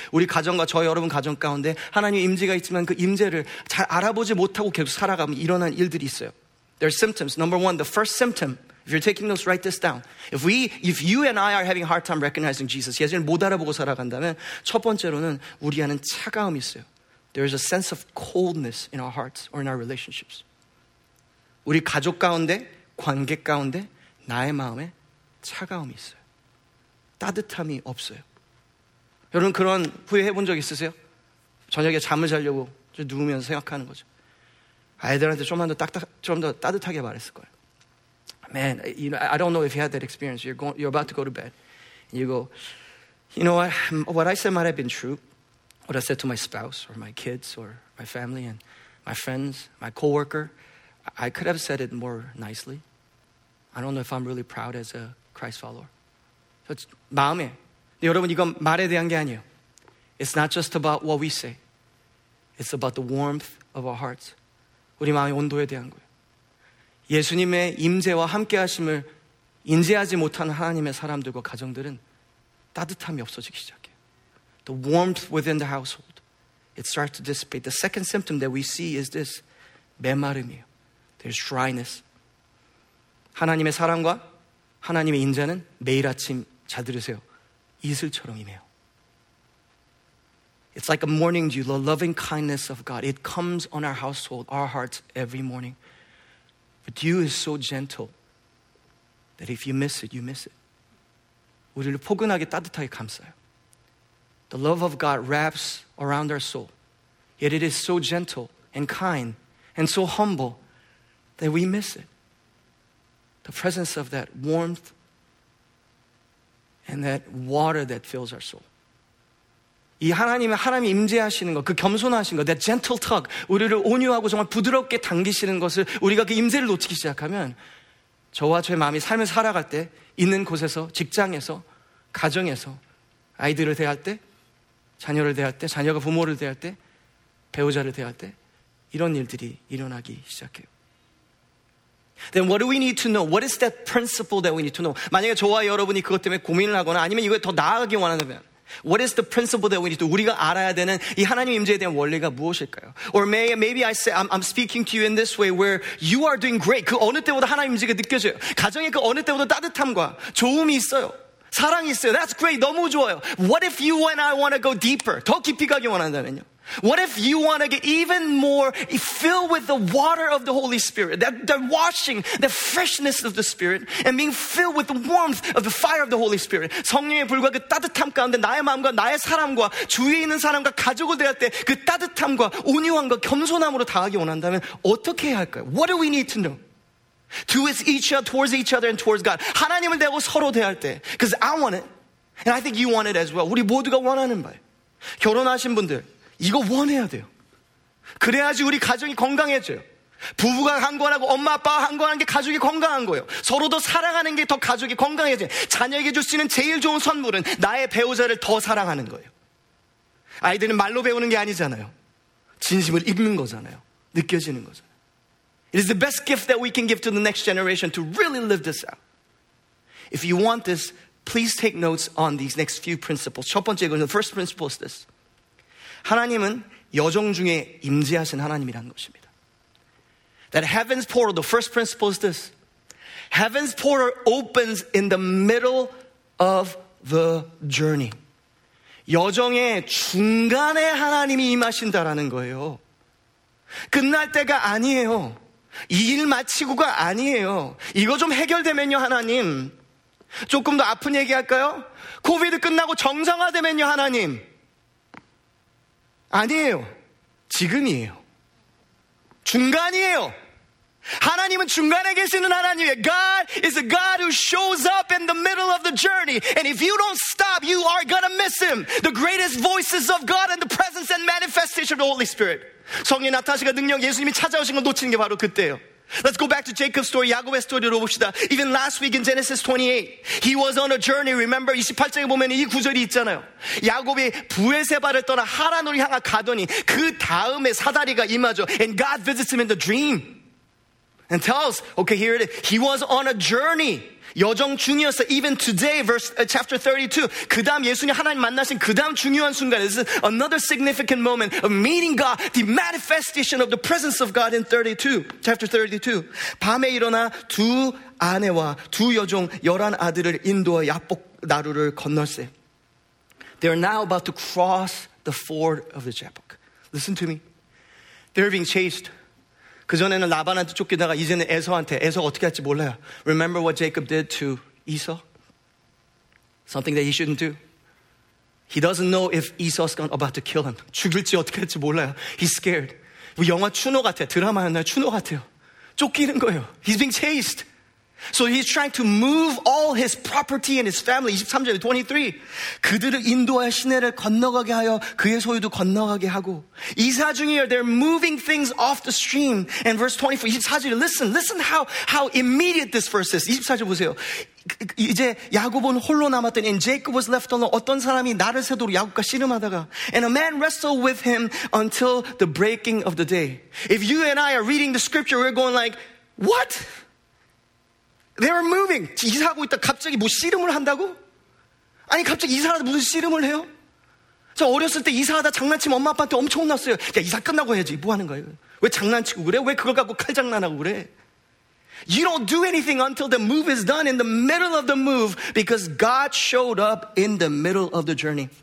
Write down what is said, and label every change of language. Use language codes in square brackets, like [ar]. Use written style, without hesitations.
[ko] 우리 가정과 저희 여러분 가정 가운데 하나님의 임재가 있지만 그 임재를 잘 알아보지 못하고 계속 살아가면 일어난 일들이 있어요. [en] There are symptoms. Number one, the first symptom. If you're taking notes, write this down. If you and I are having a hard time recognizing Jesus, [ko] 예수님 못 알아보고 살아간다면 첫 번째로는 우리 안은 차가움이 있어요. [en] There is a sense of coldness in our hearts or in our relationships. [ko] 우리 가족 가운데, 관계 가운데 나의 마음에 차가움이 있어요. 따뜻함이 없어요. 여러분 그런 후회해 본 적 있으세요? 저녁에 잠을 자려고 좀 누우면서 생각하는 거죠. 아이들한테 좀 더 따뜻하게 말했을 거예요. [en] Man, you know, I don't know if you had that experience. You're about to go to bed. You go, you know what I said might have been true. What I said to my spouse or my kids or my family and my friends, my coworker, I could have said it more nicely. I don't know if I'm really proud as a Christ follower. So it's 마음에. [ko] 여러분, 이건 말에 대한 게 아니에요. [en] It's not just about what we say. It's about the warmth of our hearts. [ko] 우리 마음의 온도에 대한 거예요. 예수님의 임재와 함께 하심을 인지하지 못한 하나님의 사람들과 가정들은 따뜻함이 없어지기 시작해요. [en] The warmth within the household, it starts to dissipate. The second symptom that we see is this, [ko] 메마름이에요. [en] There's dryness. [ko] 하나님의 사랑과 하나님의 인자는 매일 아침, 잘 들으세요, 이슬처럼 임해요. [en] It's like a morning dew, the loving kindness of God. It comes on our household, our hearts, every morning. But dew is so gentle that if you miss it, you miss it. [ko] 우리를 포근하게 따뜻하게 감싸요. [en] The love of God wraps around our soul. Yet it is so gentle and kind and so humble that we miss it. The presence of that warmth and that water that fills our soul. [ko] 이 하나님이 임재하시는 것, 그 겸손하신 것, [en] that gentle tug, [ko] 우리를 온유하고 정말 부드럽게 당기시는 것을 우리가 그 임재를 놓치기 시작하면 저와 저의 마음이 삶을 살아갈 때 있는 곳에서, 직장에서, 가정에서, 아이들을 대할 때 자녀를 대할 때, 자녀가 부모를 대할 때, 배우자를 대할 때 이런 일들이 일어나기 시작해요. [en] Then what do we need to know? What is that principle that we need to know? [ko] 만약에 저와 여러분이 그것 때문에 고민을 하거나 아니면 이거에 더 나아가기 원한다면 [en] What is the principle that we need to know? [ko] 우리가 알아야 되는 이 하나님 임재에 대한 원리가 무엇일까요? [en] Or maybe I say, I'm speaking to you in this way where you are doing great. [ko] 그 어느 때보다 하나님 임재가 느껴져요. 가정에 그 어느 때보다 따뜻함과 좋음이 있어요. 사랑이 있어요. [en] That's great. [ko] 너무 좋아요. [en] What if you and I want to go deeper? [ko] 더 깊이 가기 원한다면요. [en] What if you want to get even more filled with the water of the Holy Spirit, that washing, the freshness of the Spirit, and being filled with the warmth of the fire of the Holy Spirit? [ko] 성령의 불과 그 따뜻함 가운데 나의 마음과 나의 사람과 주위에 있는 사람과 가족을 대할 때 그 따뜻함과 온유함과 겸손함으로 다하기 원한다면 어떻게 해야 할까요? [en] What do we need to know? Towards each other and towards God. [ko] 하나님을 대하고 서로 대할 때. [en] Because I want it. And I think you want it as well. [ko] 우리 모두가 원하는 바예요. 결혼하신 분들. 이거 원해야 돼요. 그래야지 우리 가정이 건강해져요. 부부가 강건하고 엄마 아빠가 강건한 게 가족이 건강한 거예요. 서로도 사랑하는 게 더 가족이 건강해져요. 자녀에게 줄 수 있는 제일 좋은 선물은 나의 배우자를 더 사랑하는 거예요. 아이들은 말로 배우는 게 아니잖아요. 진심을 입는 거잖아요. 느껴지는 거잖아요. [en] It is the best gift that we can give to the next generation to really live this out. If you want this, please take notes on these next few principles. [ko] 첫 번째, [en] the first principle is this. [ko] 하나님은 여정 중에 임재하신 하나님이라는 것입니다. [en] That heaven's portal, the first principle is this. Heaven's portal opens in the middle of the journey. [ko] 여정의 중간에 하나님이 임하신다라는 거예요. 끝날 때가 아니에요. 이 일 마치고가 아니에요. 이거 좀 해결되면요, 하나님. 조금 더 아픈 얘기 할까요? 코비드 끝나고 정상화되면요, 하나님. 아니에요. 지금이에요. 중간이에요. 하나님은 중간에 계시는 하나님이에요. [en] God is a God who shows up in the middle of the journey. And if you don't stop, you are gonna miss him. The greatest voices of God and the presence and manifestation of the Holy Spirit. [ko] 성령 나타나시고 능력 예수님이 찾아오신 걸 놓치는 게 바로 그때예요. [en] Let's go back to Jacob's story, [ko] 야곱의 스토리로 봅시다. [en] Even last week in Genesis 28, he was on a journey. [ko] Remember, 28장에 보면 이 구절이 있잖아요. 야곱이 부엘세바를 떠나 하란으로 향하 가더니 그 다음에 사다리가 임하죠. [en] And God visits him in the dream. And tells, okay, here it is. He was on a journey. [ko] 여정 중이었어. [en] Even today, chapter 32. [ko] 그 다음 예수님 하나님 만나신 그 다음 중요한 순간. [en] This is another significant moment of meeting God, the manifestation of the presence of God in 32. Chapter 32. [ko] 밤에 일어나 두 아내와 두 여종 열한 아들을 인도하여 야복 나루를 건널세. [en] They are now about to cross the ford of the Jabbok. Listen to me. They're being chased. [ko] 그전에는 라반한테 쫓기다가 이제는 에서한테. 에서 어떻게 할지 몰라요. [en] Remember what Jacob did to Esau? Something that he shouldn't do. He doesn't know if Esau's about to kill him. [ko] 죽을지 어떻게 할지 몰라요. [en] He's scared. [ko] 영화 추노 같아요. 드라마였나요? 추노 같아요. 쫓기는 거예요. [en] He's being chased. So he's trying to move all his property and his family. 23절, 23. [ko] 그들을 인도하여 시내를 건너가게 하여 그의 소유도 건너가게 하고. 이사 중이에요. [en] They're moving things off the stream. And verse 24, 24절, listen how immediate this verse is. [ko] 24절 보세요. 이제 야곱은 홀로 남았더니 [en] and Jacob was left alone. [ko] 어떤 사람이 나를 세도록 야곱과 씨름하다가 [en] and a man wrestled with him until the breaking of the day. If you and I are reading the scripture, we're going like, what? They were moving. [ko] 이사하고 있다. 갑자기 뭐 씨름을 한다고? 아니 갑자기 이사하다 무슨 씨름을 해요? 저 어렸을 때 이사하다 장난치면 엄마 아빠한테 엄청 났어요. 야 이사 끝나고 해야지. 뭐 하는 거예요? 왜 장난치고 그래? 왜 그걸 갖고 칼 장난하고 그래? [en] You don't do anything until the move is done in the middle of the move because God showed up in the middle of the journey.